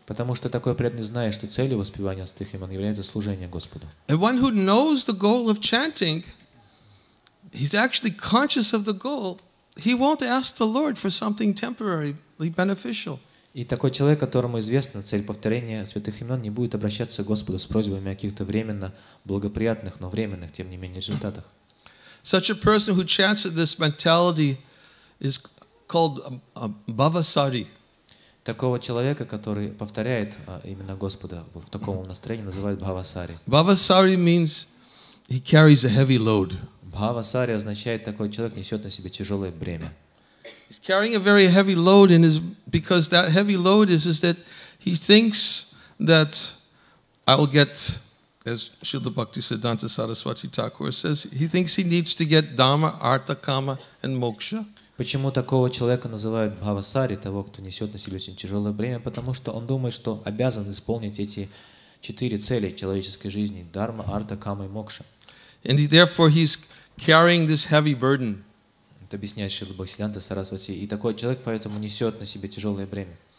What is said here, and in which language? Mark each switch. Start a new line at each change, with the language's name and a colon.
Russian: Потому что такой преданный знает, что целью воспевания святых имен является служение Господу.
English: And one who knows the goal of chanting, he's actually conscious of the goal. He won't ask the Lord for something temporarily beneficial.
Russian: И такой человек, которому известна цель повторения святых имен, не будет обращаться к Господу с просьбами о каких-то временно благоприятных, но временных, тем не менее, результатах.
English: Such a person who chants with this mentality is called a bhavasari.
Russian: Такого человека, который повторяет именно Господа в таком настроении, называют бхавасари.
English: Bhavasari means he carries a heavy load.
Russian: Бхавасари означает, такой человек несет на себе тяжелое бремя.
English: He's carrying a very heavy load in his, because that heavy load is that he thinks that I'll get, as Śrīla Bhaktisiddhānta Saraswati Thakura says, he thinks he needs to get dhamma, artha, kama, and moksha.
Russian: Почему такого человека называют бхавасари, того, кто несет на себе очень тяжелое бремя? Потому что он думает, что обязан исполнить эти четыре цели человеческой жизни: дхарма, артха, кама и мокша.
English: And therefore he's carrying this heavy burden.
Russian: Это объясняет Шрила Бхактисиддханта Сарасвати. И такой человек поэтому несет на себе тяжелое бремя.